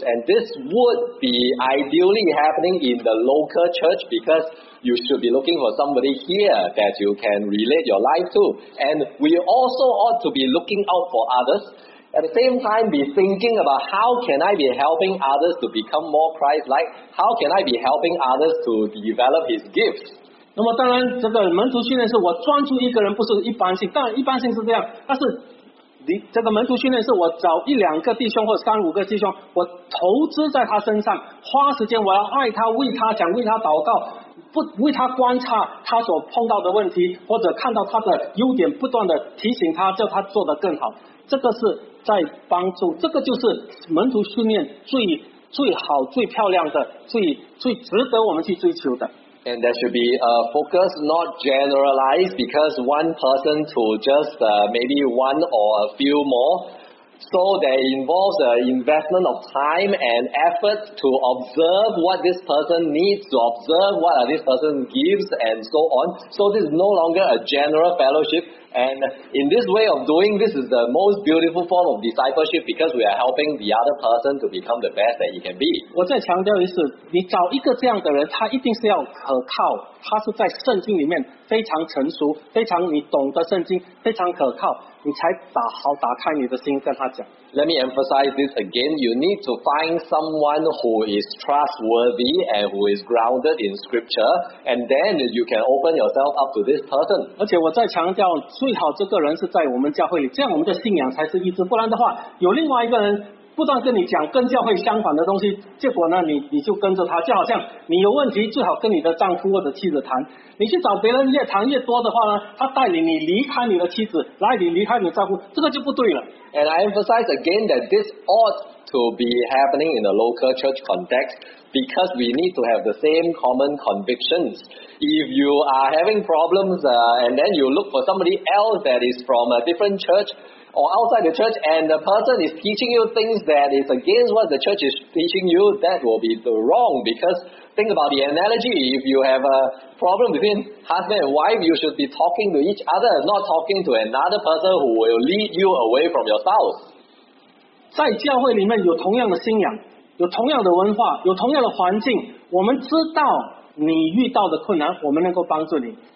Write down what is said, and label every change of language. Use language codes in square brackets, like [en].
[en] And this would be ideally happening in the local church, because you should be looking for somebody here that you can relate your life to. And we also ought to be looking out for others. At the same time, be thinking about how can I be helping others to become more Christ-like? How can I be helping others to develop his gifts? [zh] 那么当然这个门徒训练是我专注一个人，不是一般性，当然一般性是这样，但是这个门徒训练是我找一两个弟兄或三五个弟兄，我投资在他身上，花时间我要爱他，为他讲，为他祷告，不为他观察他所碰到的问题，或者看到他的优点，不断的提醒他，叫他做得更好，这个是在帮助，这个就是门徒训练最好最漂亮的最值得我们去追求的。 [en] And there should be a focus, not generalized, because one person to just maybe one or a few more. So that involves an investment of time and effort to observe what this person needs, to observe what this person gives, and so on. So this is no longer a general fellowship. And in this way of doing, this is the most beautiful form of discipleship, because we are helping the other person to become the best that he can be. [zh] 我再强调一次，你找一个这样的人，他一定是要可靠，他是在圣经里面非常成熟，非常你懂得圣经，非常可靠，你才好打开你的心跟他讲。 [en] Let me emphasize this again. You need to find someone who is trustworthy and who is grounded in scripture, and then you can open yourself up to this person. [zh] 而且我再强调，最好这个人是在我们教会里，这样我们的信仰才是一致。不然的话，有另外一个人不断跟你讲跟教会相反的东西，结果呢 你就跟着他，就好像你有问题最好跟你的丈夫或者妻子谈，你去找别人越谈越多的话呢，他带领你离开你的妻子，来你离开你的丈夫，这个就不对了。 [en] And I emphasize again that this ought to be happening in a local church contextBecause we need to have the same common convictions. If you are having problems, and then you look for somebody else that is from a different church or outside the church, and the person is teaching you things that is against what the church is teaching you, that will be wrong. Because think about the analogy. If you have a problem between husband and wife, you should be talking to each other, not talking to another person who will lead you away from your spouse. [zh] 在教会里面有同样的信仰，有同样的文化，有同样的环境，我们知道你遇到的困难，我们能够帮助你。